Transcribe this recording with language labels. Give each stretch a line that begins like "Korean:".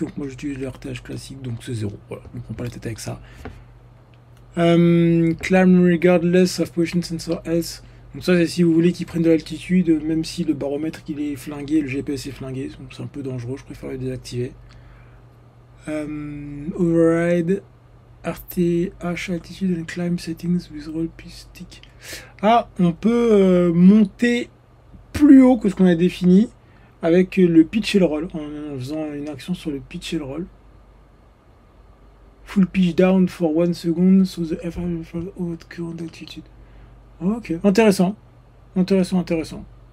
French: Donc moi j'utilise le RTH classique, donc c'est 0. Voilà, je ne prends pas la tête avec ça.
English: Climb regardless of position sensor S.
French: Donc ça c'est si vous voulez qu'il prenne de l'altitude, même si le baromètre il est flingué, le GPS est flingué. Donc c'est un peu dangereux, je préfère le désactiver.
English: Override RTH altitude and climb settings with roll stick.
French: Ah, on peut monter plus haut que ce qu'on a défini avec le pitch et le roll en faisant une action sur le pitch et le roll.
English: Full pitch down for 1 second, so the FM for current altitude.
French: Ok, intéressant. Intéressant, intéressant.